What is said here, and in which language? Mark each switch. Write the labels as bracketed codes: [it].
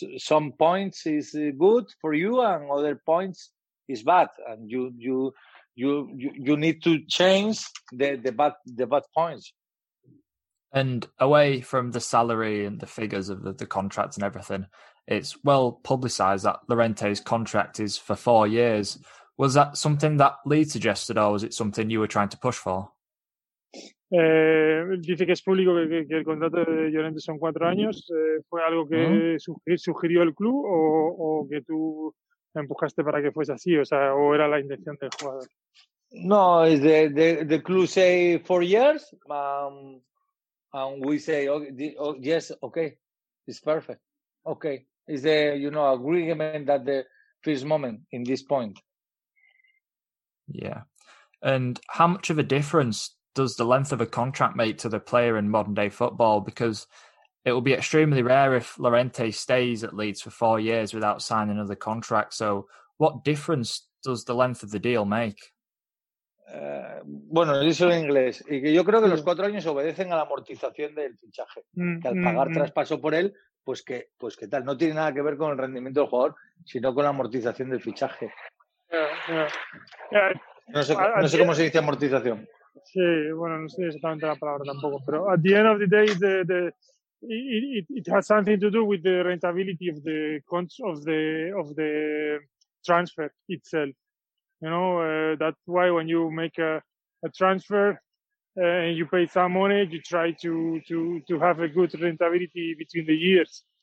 [en] Some points is good for you and other points is bad, and you need to change the bad points. And away from the salary and the figures of the contract and everything, it's well publicised that Llorente's contract is for 4 years. Was that something that Lee suggested, or was it something you were trying to push for? [es] Dice que es público que el contrato de Llorente son 4 años. ¿Fue algo que sugirió el club o que tú empujaste para que fuese así? O sea, ¿o era la intención del jugador? [en] No, the club say 4 years. And we say, yes, okay, it's perfect. Okay, it's the, you know, agreement that the first moment in this point. Yeah. And how much of a difference does the length of a contract make to the player in modern day football? Because it will be extremely rare if Llorente stays at Leeds for 4 years without signing another contract. So what difference does the length of the deal make? [es] Bueno, eso en inglés. Y que yo creo que los 4 años obedecen a la amortización del fichaje. Que al pagar traspaso por él, pues que tal. No tiene nada que ver con el rendimiento del jugador, sino con la amortización del fichaje. No sé cómo se dice amortización. Sí, bueno, no sé exactamente la palabra tampoco. Pero [en] at the end of the day, it has something to do with the rentability of the transfer itself. You know, that's why when you make a transfer and you pay some money, you try to have a good rentability between the years.